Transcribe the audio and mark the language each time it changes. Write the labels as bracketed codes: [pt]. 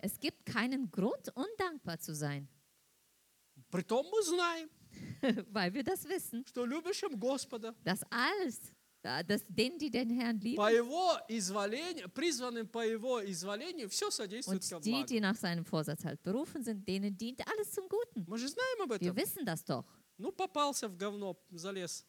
[de] Es gibt keinen Grund, undankbar zu sein. [ru] Притом мы знаем, [de] weil wir das wissen, [ru] что любящим Господа, [de] dass alles, dass denen, die den Herrn lieben, [ru] по его изволению, призванным по его изволению, все содействует ко благу. [de] Und die, die nach seinem Vorsatz halt berufen sind, denen dient alles zum Guten. [ru] Мы же знаем об этом. [de] Wir wissen das doch. [ru] Ну, попался в говно, залез.